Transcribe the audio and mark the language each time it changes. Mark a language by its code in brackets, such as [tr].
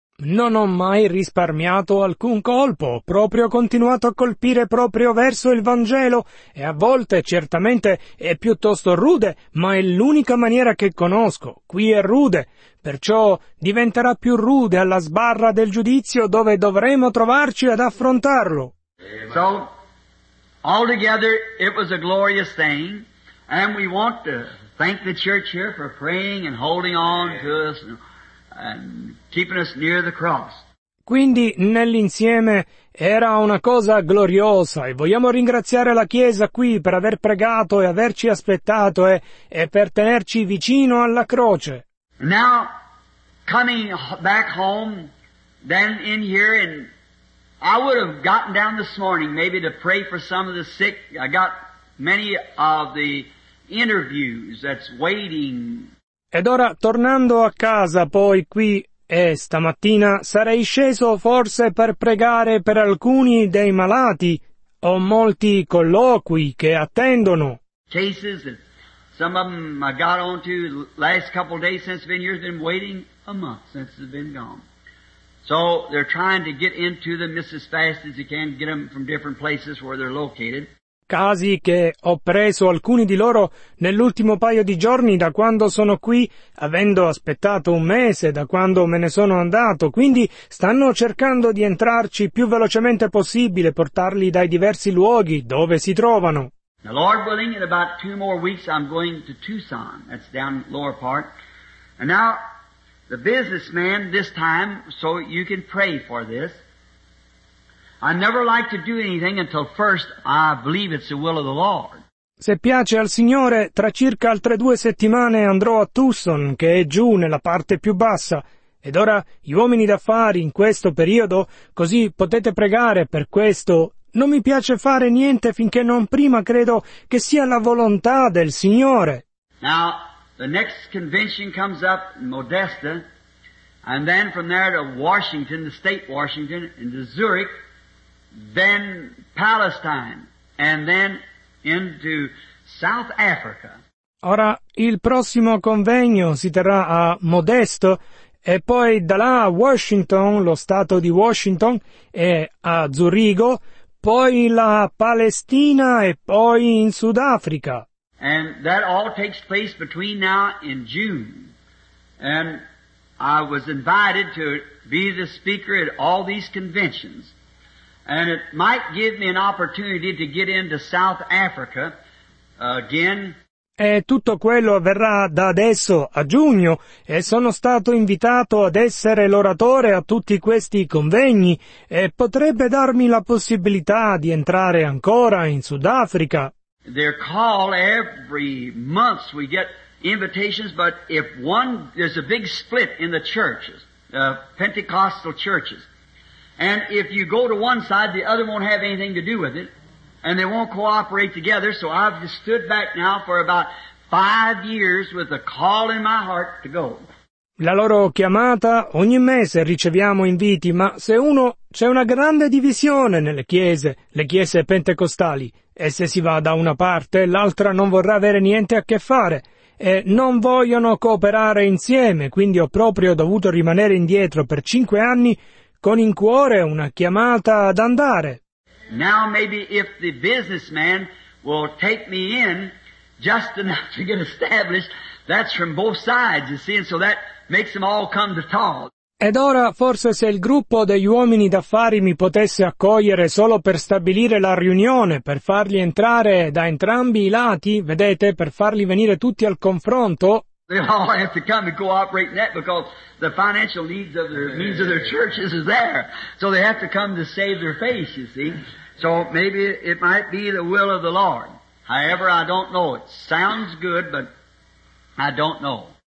[it] Non ho mai risparmiato alcun colpo, ho proprio continuato a colpire proprio verso il Vangelo, e a volte, certamente, è piuttosto rude, ma è l'unica maniera che conosco. Qui è rude, perciò diventerà più rude alla sbarra del giudizio dove dovremo trovarci ad affrontarlo. [en] So, all together, it was a glorious thing, and we want to thank the church here for praying and holding on to us. And keeping us near the cross. [it] Quindi nell'insieme era una cosa gloriosa e vogliamo ringraziare la Chiesa qui per aver pregato e averci aspettato e per tenerci vicino alla croce. [en] Now, coming back home, then in here, and I would have gotten down this morning maybe to pray for some of the sick. I got many of the interviews that's waiting. [it] Ed ora, tornando a casa poi qui, e stamattina sarei sceso forse per pregare per alcuni dei malati. Ho molti colloqui che attendono. [en] Cases, some of them I got onto the last couple of days since I've been here, been waiting a month since I've been gone. So they're trying to get into them just as fast as they can, get them from different places where they're located. [it] Casi che ho preso alcuni di loro nell'ultimo paio di giorni da quando sono qui, avendo aspettato un mese da quando me ne sono andato, quindi stanno cercando di entrarci più velocemente possibile, portarli dai diversi luoghi dove si trovano. [en] Now, Lord willing, in about two more weeks I'm going to Tucson, that's down lower part, and now the businessman this time, so you can pray for this. I never like to do anything until first I believe it's the will of the Lord. [it] Se piace al Signore, tra circa altre due settimane andrò a Tucson, che è giù nella parte più bassa. Ed ora, gli uomini d'affari in questo periodo, così potete pregare per questo. Non mi piace fare niente finché non prima credo che sia la volontà del Signore. [en] Now, the next convention comes up in Modesta, and then from there to Washington, the state Washington, and to Zurich, then Palestine, and then into South Africa. [it] Ora, il prossimo convegno si terrà a Modesto, e poi da là a Washington, lo stato di Washington, e a Zurigo, poi la Palestina, e poi in Sudafrica. [en] And that all takes place between now and June. And I was invited to be the speaker at all these conventions. And it might give me an opportunity to get into South Africa again. [it] E tutto quello avverrà da adesso a giugno, e sono stato invitato ad essere l'oratore a tutti questi convegni, e potrebbe darmi la possibilità di entrare ancora in Sudafrica. [en] They're called every month we get invitations, but if one, there's a big split in the churches, Pentecostal churches. And if you go to one side, the other won't have anything to do with it, and they won't cooperate together. So I've just stood back now for about 5 years with a call in my heart to go. [it] La loro chiamata, ogni mese riceviamo inviti, ma se uno, c'è una grande divisione nelle chiese, le chiese pentecostali, e se si va da una parte, l'altra non vorrà avere niente a che fare, e non vogliono cooperare insieme, quindi ho proprio dovuto rimanere indietro per 5 anni, con in cuore una chiamata ad andare. [en] Now maybe if the businessman will take me in, just enough to get established, that's from both sides, you see, and so that makes them all come to talk. [it] Ed ora, forse se il gruppo degli uomini d'affari mi potesse accogliere solo per stabilire la riunione, per farli entrare da entrambi i lati, vedete, per farli venire tutti al confronto, [en] they all have to come and cooperate in that because the financial needs of their means of their churches is there. So they have to come to save their face, you see. So maybe it might be the will of the Lord. However, I don't know. It sounds good, but I don't know.